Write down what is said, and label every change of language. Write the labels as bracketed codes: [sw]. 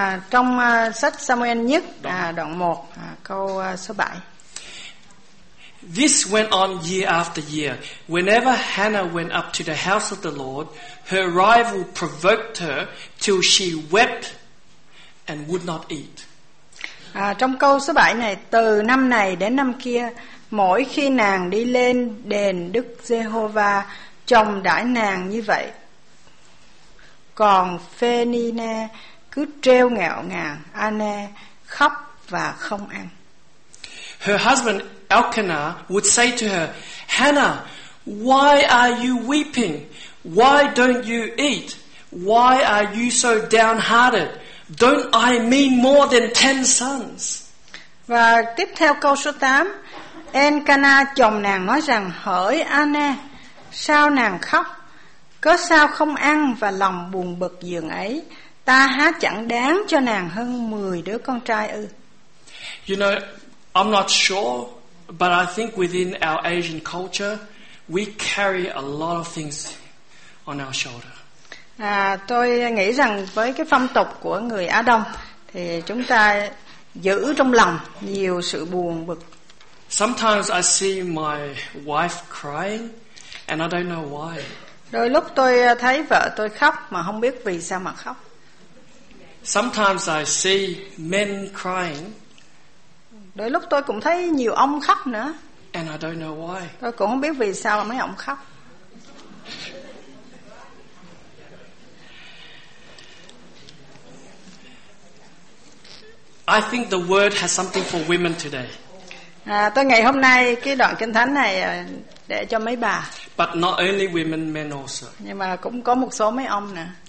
[vi] trong sách Samuel nhất đoạn 1 câu số 7. [en] This went on year after year. Whenever Hannah went up to the house of the Lord, her rival provoked her till she wept and would not eat. [vi] Trong câu số 7 này, từ năm này đến năm kia, mỗi khi nàng đi lên đền Đức Giê-hô-va, chồng đãi nàng như vậy. Còn Phê-ni-ne cứ trêu ngạo ngàng, A-ne khóc và không ăn. [en] Her husband Elkanah would say to her, Hannah, why are you weeping? Why don't you eat? Why are you so downhearted? Don't I mean more than 10 sons? [vi] Và tiếp theo câu số 8, Elkanah chồng nàng nói rằng, hỡi Anna, sao nàng khóc? Cớ sao không ăn và lòng buồn bực giường ấy? Ta há chẳng đáng cho nàng hơn 10 đứa con trai ư? [en] You know, I'm not sure, but I think within our Asian culture, we carry a lot of things on our shoulder. [vi] Tôi nghĩ rằng với cái phong tục của người Á Đông thì chúng ta giữ trong lòng nhiều sự buồn bực. [en] Sometimes I see my wife crying and I don't know why. [vi] Đôi lúc tôi thấy vợ tôi khóc mà không biết vì sao mà khóc. [en] Sometimes I see men crying. [vi] Đôi lúc tôi cũng thấy nhiều ông khóc nữa. [en] And I don't know why. [vi] Tôi cũng không biết vì sao mà mấy ông khóc. [en] I think the word has something for women today. [vi] Tôi ngày hôm nay cái đoạn kinh thánh này để cho mấy bà. [en] But not only women, men also. [vi] Nhưng mà cũng có một số mấy ông nữa.